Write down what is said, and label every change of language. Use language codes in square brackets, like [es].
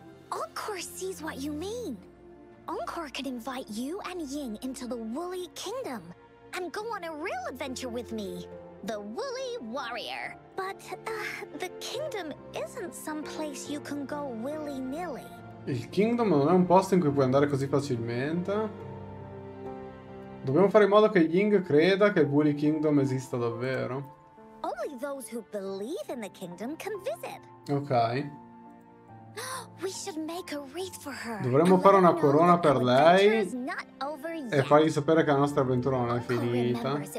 [en] Encore sees what you mean. Encore could invite you and Ying into the Woolly Kingdom and go on a real adventure with me, the Woolly Warrior. But the kingdom isn't some place you can go willy-nilly. [it] Il kingdom non è un posto in cui puoi andare così facilmente. Dobbiamo fare in modo che Ying creda che il Woolly Kingdom esista davvero. [en] Only those who believe in the kingdom can visit. Ok. We should make a wreath for her. [it] Dovremmo fare una corona per lei e fargli sapere che la nostra avventura non è finita.